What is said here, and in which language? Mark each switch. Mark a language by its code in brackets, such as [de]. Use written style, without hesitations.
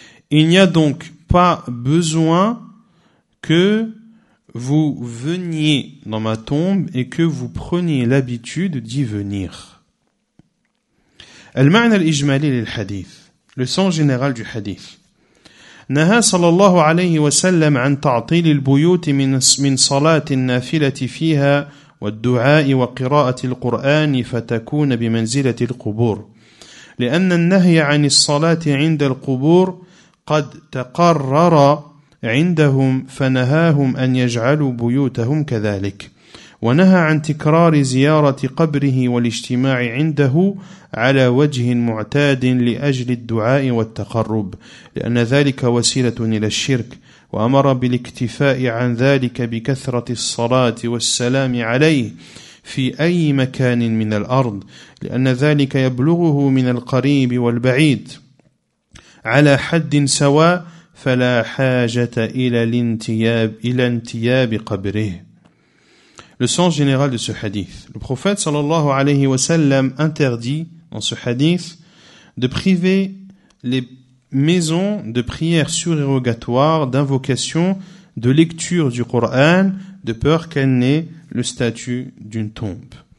[fr] Il n'y a donc pas besoin que vous veniez dans ma tombe et que vous preniez l'habitude d'y venir. [ar] المعنى الإجمالي للحديث, [fr] le sens général du hadith. [ar] نهى صلى الله عليه وسلم عن تعطيل البيوت من صلاة النافلة فيها والدعاء وقراءة القرآن فتكون بمنزلة القبور لأن النهي عن الصلاة عند القبور قد تقرر عندهم فنهاهم أن يجعلوا بيوتهم كذلك ونهى عن تكرار زيارة قبره والاجتماع عنده على وجه معتاد لأجل الدعاء والتقرب لأن ذلك وسيلة إلى الشرك وأمر بالاكتفاء عن ذلك بكثرة الصلاة والسلام عليه في أي مكان من الأرض لأن ذلك يبلغه من القريب والبعيد على حد سواء فلا حاجة إلى انتياب قبره. [fr] Le sens général de ce hadith. Le prophète sallallahu alayhi wa sallam interdit dans ce hadith de priver les maisons de prières surérogatoires, d'invocation, de lecture du Coran, de peur qu'elles n'aient le statut d'une tombe.